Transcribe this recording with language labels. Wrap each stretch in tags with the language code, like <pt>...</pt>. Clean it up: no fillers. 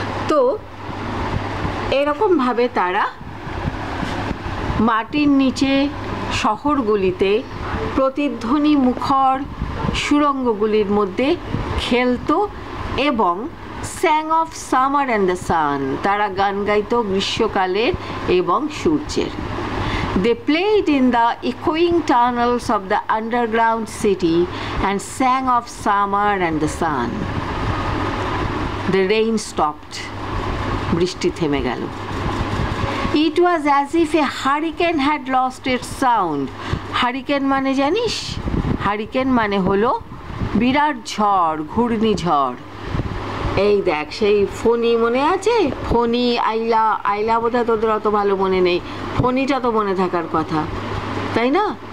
<bn>তো এরকমভাবে তারা মাটির নিচে শহরগুলিতে প্রতিধ্বনি মুখর সুড়ঙ্গগুলির মধ্যে খেলতো, এবং</bn> <en>sang of summer and the sun,</en> <bn>তারা গান গাইতো গ্রীষ্মকালের এবং সূর্যের.</bn> <en>They played in the echoing tunnels of the underground city and sang of summer and the sun. The rain stopped.</en> <bn>বৃষ্টি থেমে গেল।</bn> <en>It was as if a hurricane had lost its sound.</en> <bn>Hurricane মানে জানিস, হারিকেন মানে হলো বিরাট ঝড়, ঘূর্ণিঝড়। এই দেখ সেই ফণী মনে আছে, ফণী, আইলা, আইলা বোধহয় তোদের অত ভালো মনে নেই, ফণীটা তো মনে থাকার কথা, তাই না?</bn>